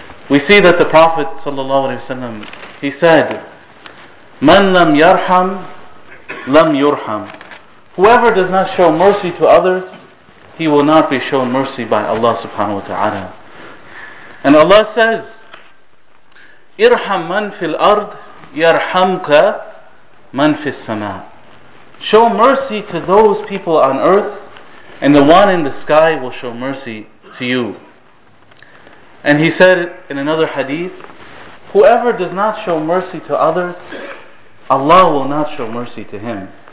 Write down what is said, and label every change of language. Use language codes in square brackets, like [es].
[en] We see that the Prophet sallallahu alaihi wasallam, he said, [ar] "Man lam yarham, lam yurham." [en] Whoever does not show mercy to others, he will not be shown mercy by Allah subhanahu wa ta'ala. And Allah says, [ar] ارحم من في الارض يرحمك من في السماء. [en] Show mercy to those people on earth, and the one in the sky will show mercy to you. And he said in another hadith, whoever does not show mercy to others, Allah will not show mercy to him.